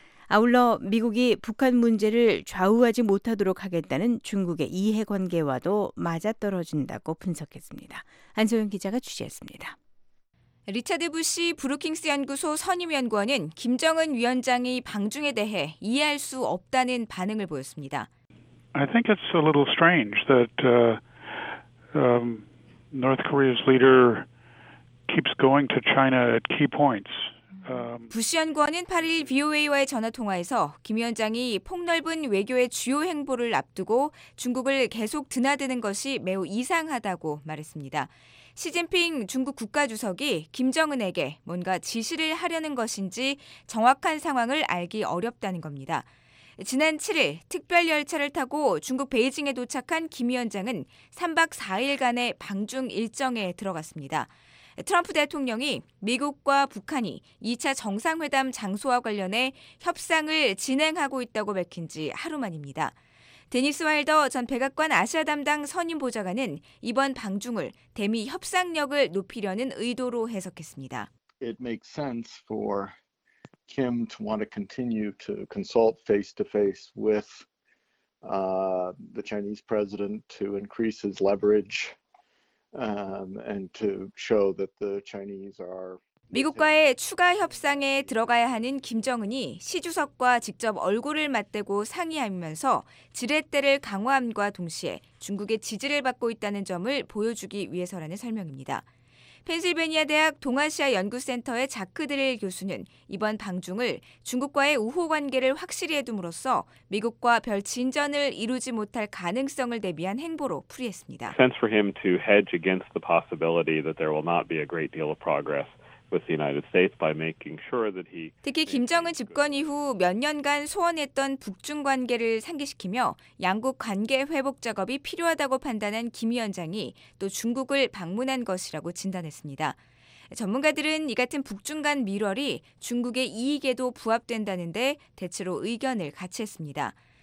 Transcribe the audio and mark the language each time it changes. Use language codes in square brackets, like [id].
[ko] 아울러 미국이 북한 문제를 좌우하지 못하도록 하겠다는 중국의 이해관계와도 맞아떨어진다고 분석했습니다. 안소영 기자가 취재했습니다. 리차드 부시 브루킹스 연구소 선임연구원은 김정은 위원장의 방중에 대해 이해할 수 없다는 반응을 보였습니다. [en] I think it's a little strange that North Korea's leader keeps going to China at key points. [ko] 부시 연구원은 8일 VOA와의 전화 통화에서 김 위원장이 폭넓은 외교의 주요 행보를 앞두고 중국을 계속 드나드는 것이 매우 이상하다고 말했습니다. 시진핑 중국 국가주석이 김정은에게 뭔가 지시를 하려는 것인지 정확한 상황을 알기 어렵다는 겁니다. 지난 7일 특별 열차를 타고 중국 베이징에 도착한 김 위원장은 3박 4일간의 방중 일정에 들어갔습니다. 트럼프 대통령이 미국과 북한이 2차 정상회담 장소와 관련해 협상을 진행하고 있다고 밝힌 지 하루 만입니다. 데니스 와일더 전 백악관 아시아 담당 선임 보좌관은 이번 방중을 대미 협상력을 높이려는 의도로 해석했습니다. [en] It makes sense for Kim to want to continue to consult face to face with the Chinese president to increase his leverage and to show that the Chinese are [ko] 미국과의 추가 협상에 들어가야 하는 김정은이 시 주석과 직접 얼굴을 맞대고 상의하면서 지렛대를 강화함과 동시에 중국의 지지를 받고 있다는 점을 보여주기 위해서라는 설명입니다. 펜실베니아 대학 동아시아 연구센터의 자크 드릴 교수는 이번 방중을 중국과의 우호 관계를 확실히 해둠으로써 미국과 별 진전을 이루지 못할 가능성을 대비한 행보로 풀이했습니다. [en] Sense for him to hedge against the possibility that there will not be a great deal of progress. with the United States by making sure that he [ko] 특히 김정은 집권 이후 몇 년간 소원했던 북중 관계를 상기시키며 양국 관계 회복 작업이 필요하다고 판단한 김 위원장이 또 중국을 방문한 것이라고 진단했습니다. 전문가들은 이 같은 북중 간 밀월이 중국의 이익에도 부합된다는데 대체로 의견을 같이 했습니다.